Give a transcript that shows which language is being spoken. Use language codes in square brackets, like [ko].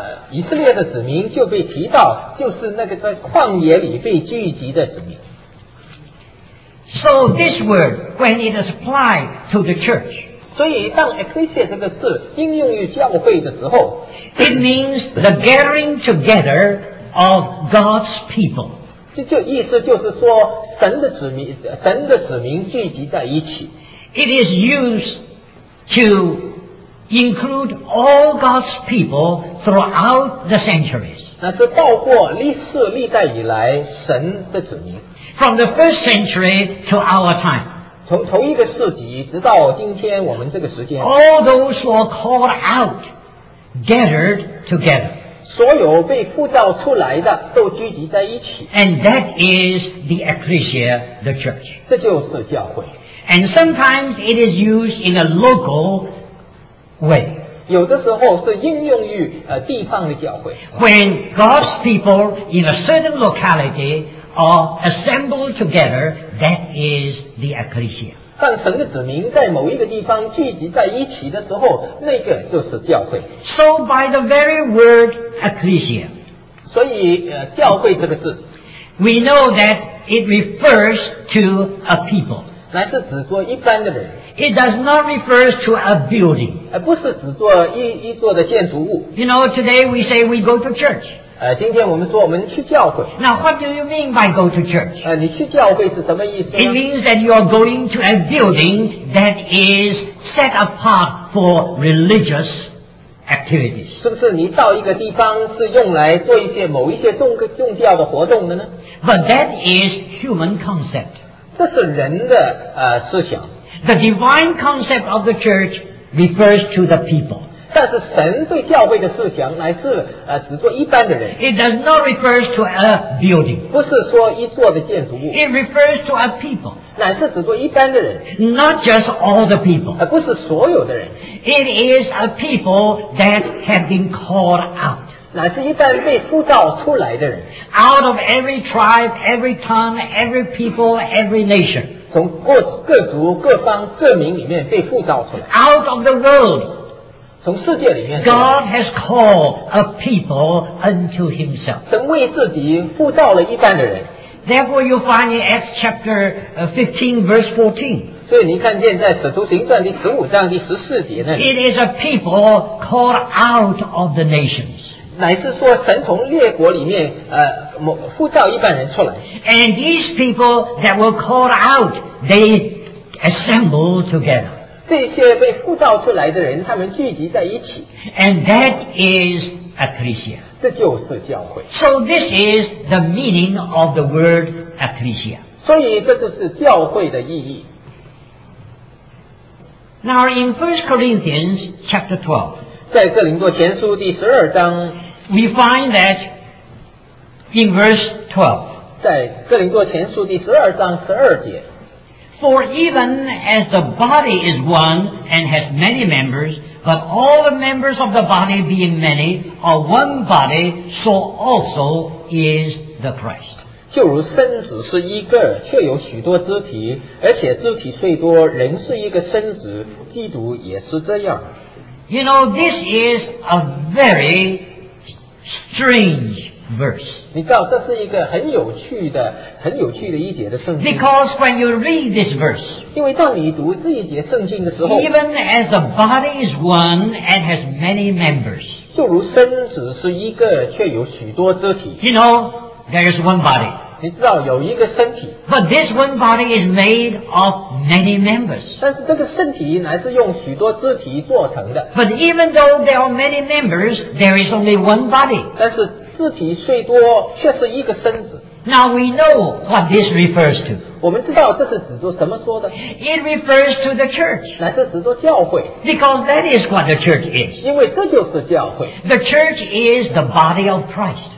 [zh] 以色列的子民就被提到，就是那个在旷野里被聚集的子民。 [en] So this word, when it is applied to the church, [zh] 所以当 ecclesia 这个字应用于教会的时候， [en] it means the gathering together of God's people. [zh] 就意思就是说神的子民聚集在一起。 [en] It is used to include all God's people. Throughout the centuries. [zh] 那是包括历世历代以来神的子民。 [en] From the first century to our time. [zh] 从头一个世纪直到今天我们这个时间。 [en] All those who are called out gathered together. [zh] 所有被呼召出来的都聚集在一起。 [en] And that is the ecclesia, the church. [zh] 这就是教会。 [en] And sometimes it is used in a local way. [zh] 有的时候是应用于地方的教会。 [en] When God's people in a certain locality are assembled together, that is the ecclesia. [zh] 当神的子民在某一个地方聚集在一起的时候，那个就是教会。 [en] So by the very word ecclesia, [zh] 所以教会这个字 [en] ，we know that it refers to a people. [zh] 乃是指说一般的人。 [en] It does not refer to a building. [zh] 不是只做一座的建筑物。 [en] You know, today we say we go to church. [zh] 今天我们说我们去教会。 [en] Now, what do you mean by go to church? [zh] 你去教会是什么意思呢? [en] It means that you are going to a building that is set apart for religious activities. [zh] 是不是你到一个地方是用来做一些某一些宗教的活动的呢? [en] But that is human concept. [zh] 这是人的思想。 [en] The divine concept of the church refers to the people. [zh] 但是神对教会的思想乃是只做一般的人。 [en] It does not refer to a building. [zh] 不是说一座的建筑物。 [en] It refers to a people. [zh] 乃是只做一般的人。 [en] Not just all the people. [zh] 不是所有的人。 [en] It is a people that have been called out. [zh] 乃是一般被呼召出来的人。 [en] Out of every tribe, every tongue, every people, every nation. [zh] 从各族各方各民里面被呼召出来 [en] out of the world [zh] 从世界里面 [en] God has called a people unto himself [zh] 神为自己呼召了一般的人 [en] therefore you find in Acts chapter 15 verse 14 [zh] 所以你看见在使徒行传第15章第14节那里 [en] it is a people called out of the nations [zh] 乃是说神从列国里面呼召一般人出来 [en] and these people that were called out they assemble together [zh] 这些被呼召出来的人他们聚集在一起 [en] and that is ecclesia [zh] 这就是教会 [en] so this is the meaning of the word ecclesia [zh] 所以这就是教会的意义 [en] now in 1 Corinthians chapter 12 [zh] 在哥林多前书第12章 [en] we find thatIn verse 12, [zh] 在哥林多前书第12章12节 [en] For even as the body is one and has many members, but all the members of the body being many are one body, so also is the Christ. [zh] 就如身子是一个却有许多肢体而且肢体虽多人是一个身子基督也是这样 [en] You know, this is a very strange verse. [zh] 你知道这是一个很有趣的很有趣的一节的圣经 [en] Because when you read this verse [zh] 因为当你读这一节圣经的时候 [en] Even as the body is one and has many members [zh] 就如身子是一个却有许多肢体 [en] You know there is one body [zh] 你知道有一个身体 [en] But this one body is made of many members [zh] 但是这个身体乃是用许多肢体做成的 [en] But even though there are many members there is only one body [zh] 但是肢体虽多却是一个身子 [en] Now we know what this refers to [zh] 我们知道这是指着什么说的 [en] It refers to the church [zh] 乃是指着教会 [en] Because that is what the church is [zh] 因为这就是教会 [en] The church is the body of Christ